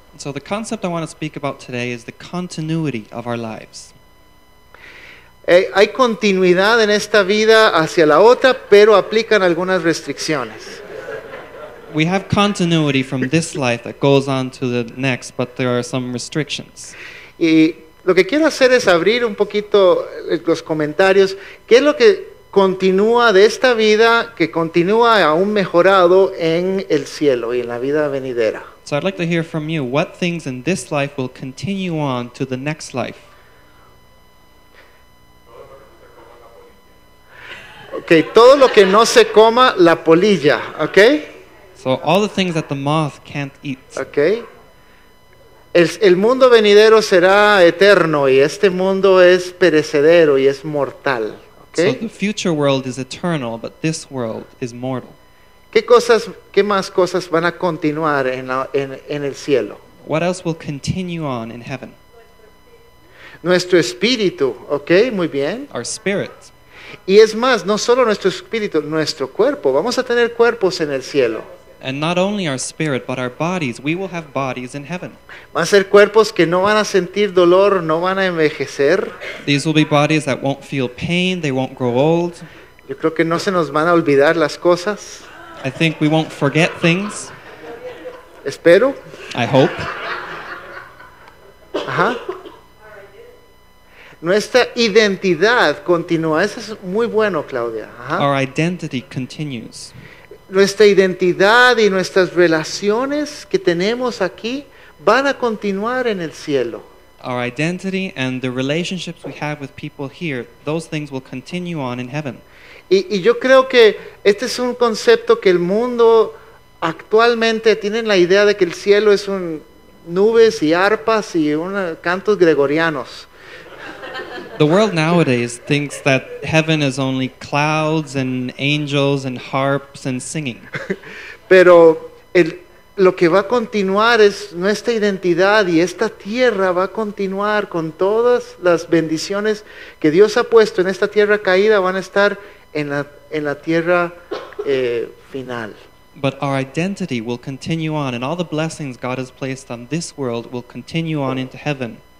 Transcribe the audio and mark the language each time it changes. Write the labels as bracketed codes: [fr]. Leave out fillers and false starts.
[en] So the concept I want to speak about today is the continuity of our lives. [es] Hay continuidad en esta vida hacia la otra, pero aplican algunas restricciones. [en] We have continuity from this life that goes on to the next, but there are some restrictions. [es] Y lo que quiero hacer es abrir un poquito los comentarios. ¿Qué es lo que continúa de esta vida que continúa aún mejorado en el cielo y en la vida venidera? [en] So I'd like to hear from you. What things in this life will continue on to the next life? [es] Okay, todo lo que no se coma, la polilla, okay? [en] So all the things that the moth can't eat. [es] Okay. El mundo venidero será eterno y este mundo es perecedero y es mortal, okay? [en] So the future world is eternal, but this world is mortal. [es] ¿Qué más cosas van a continuar en el cielo? [en] What else will continue on in heaven? [es] Nuestro espíritu, okay? Muy bien. [en] Our spirit. [es] Y es más, no solo nuestro espíritu, nuestro cuerpo. Vamos a tener cuerpos en el cielo. [en] And not only our spirit, but our bodies. We will have bodies in heaven. [es] Van a ser cuerpos que no van a sentir dolor, no van a envejecer. [en] These will be bodies that won't feel pain, they won't grow old. [es] Yo creo que no se nos van a olvidar las cosas. [en] I think we won't forget things. [es] Espero. [en] I hope. Ajá. [es] Nuestra identidad continúa. Eso es muy bueno, Claudia. Ajá. [en] Our identity continues. [es] Nuestra identidad y nuestras relaciones que tenemos aquí van a continuar en el cielo. [en] our identity and the relationships we have with people here, those things will continue on in heaven. [es] Y yo creo que este es un concepto que el mundo actualmente tiene la idea de que el cielo es un nubes y arpas y cantos gregorianos. [en] The world nowadays thinks that heaven is only clouds and angels and harps and singing. [es] Pero lo que va a continuar es nuestra identidad, y esta tierra va a continuar con todas las bendiciones que Dios ha puesto en esta tierra caída, van a estar en la tierra final. [en] But our identity will continue on, and all the blessings God has placed on this world will continue on into heaven.